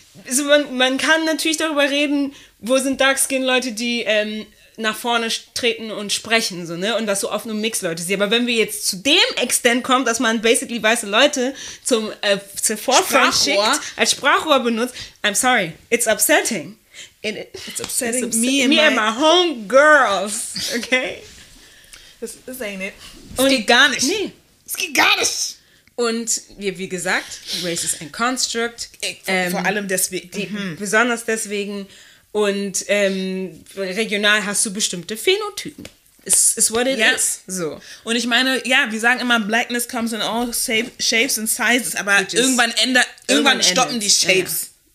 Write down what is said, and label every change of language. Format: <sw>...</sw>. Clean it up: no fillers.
<de>Also man kann natürlich darüber reden, wo sind Dark-Skin-Leute, die nach vorne treten und sprechen, so, ne? Und dass so oft nur Mix-Leute sind. Aber wenn wir jetzt zu dem Extent kommen, dass man basically weiße Leute zur Vorfront schickt, als Sprachrohr benutzt,</de> <en>I'm sorry, it's upsetting. It's upsetting. Me and my home girls, okay?</en> <de>Das</de> <en>ain't it.</en> <de>Es geht gar nicht. Nee. Es geht gar nicht. Und wie gesagt,</de> <en>race is a construct.</en> <de>Vor allem deswegen. Besonders deswegen. Und regional hast du bestimmte Phänotypen.</de> <en>It's what it is. So.</en> <de>Und ich meine, ja, wir sagen immer,</de> <en>blackness comes in all shapes and sizes,</en> <de>aber irgendwann stoppen die Shapes.</de>